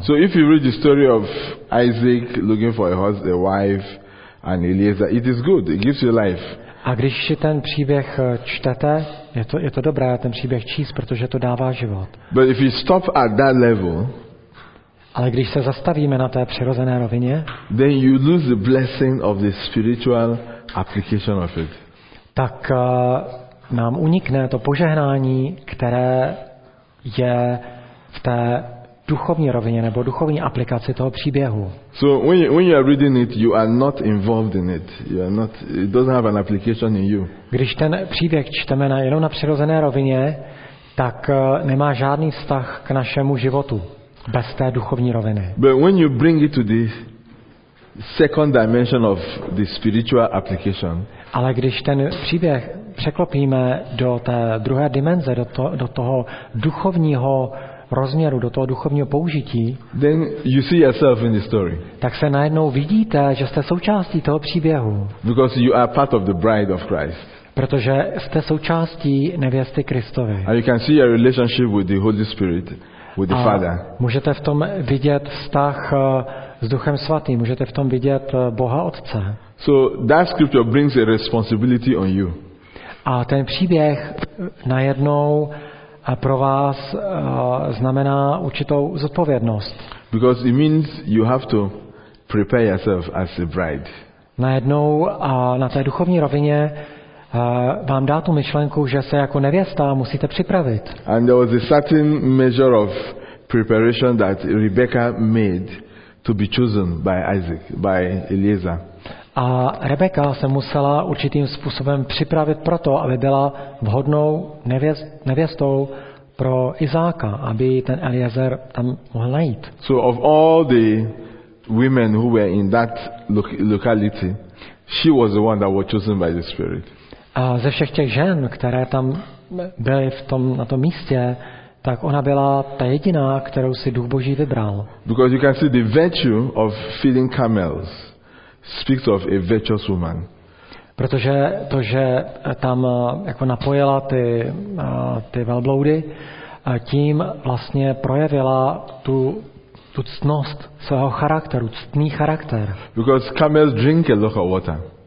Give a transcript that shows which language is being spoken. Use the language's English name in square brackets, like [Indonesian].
[English] So if you read the story of Isaac looking for a wife and Eliezer, it is good. It gives you life. [Czech] A když si ten příběh čtete, je to dobré ten příběh číst, protože to dává život. [English] But if you stop at that level, [Czech] ale když se zastavíme na té přirozené rovině, [English] then you lose the blessing of the spiritual application of it. [Czech] Tak nám unikne to požehnání, které je v té duchovní rovině nebo duchovní aplikaci toho příběhu. [English] So when you are reading it, you are not involved in it. You are not. It doesn't have an application in you. [Czech] Když ten příběh čteme jenom na přirozené rovině, tak nemá žádný vztah k našemu životu bez té duchovní roviny. [English] But when you bring it to the second dimension of the spiritual application. [Czech] Ale když ten příběh překlopíme do té druhé dimenze, do toho duchovního rozměru, do toho duchovního použití, [English] then you see yourself in the story. [Czech] Tak se najednou vidíte, že jste součástí toho příběhu. [English] Because you are part of the bride of Christ. [Czech] Protože jste součástí nevěsty Kristovy. [English] And you can see your relationship with the Holy Spirit, with the Father. [Czech] Můžete v tom vidět vztah s Duchem Svatým, můžete v tom vidět Boha Otce. [English] So that scripture brings a responsibility on you. [Czech] A ten příběh najednou a pro vás znamená určitou zodpovědnost. [English] Because it means you have to prepare yourself as a bride. [Czech] Najednou a na té duchovní rovině vám dá tu myšlenku, že se jako nevěsta musíte připravit. [English] And there was a certain measure of preparation that Rebecca made to be chosen by Isaac, by Eliezer. [Czech] A Rebeka se musela určitým způsobem připravit proto, aby byla vhodnou nevěstou pro Izáka, aby ten Eliezer tam mohl najít. [English] So of all the women who were in that locality, she was the one that was chosen by the Spirit. [Czech] A ze všech těch žen, které tam byly na tom místě, tak ona byla ta jediná, kterou si Duch Boží vybral. [English] Because you can see the virtue of feeding camels speaks of a virtuous woman. [Czech] Protože to, že tam jako napojila ty velbloudy, tím vlastně projevila tu ctnost svého charakteru, ctný charakter. [English] Because camels drink a lot of water.